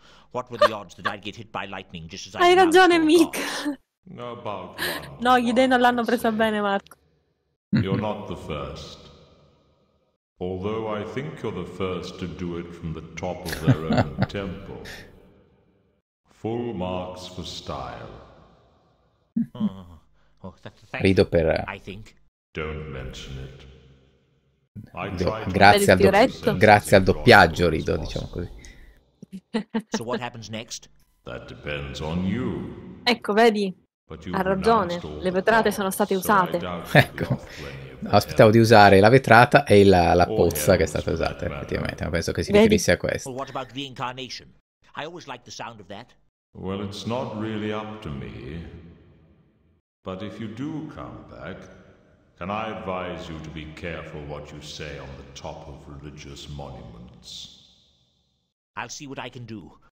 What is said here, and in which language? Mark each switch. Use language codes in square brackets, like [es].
[en] What were the odds that I'd get hit by lightning just as I [it] Hai ragione, Mick. [en] About [it] no, gli dei non l'hanno presa bene, Marco. [en] You're not the first. Although I think you're the first to do it from the top of their own temple. Full marks for style. [it] Rido per... [en] I think. Don't mention it. [it] Grazie al doppiaggio rido, diciamo così. [en] So what happens next? That depends on you. [it] Ecco, vedi? Ha ragione, le vetrate sono state usate. Ecco. Aspettavo di usare la vetrata e la pozza che è stata usata, effettivamente, ma penso che si riferisse a questo. [en] What about reincarnation? I always like the sound of that. Well, it's not really up to me. But if you do come back, Can I advise you to be careful what you say on the top of religious monuments? I'll see what I can do.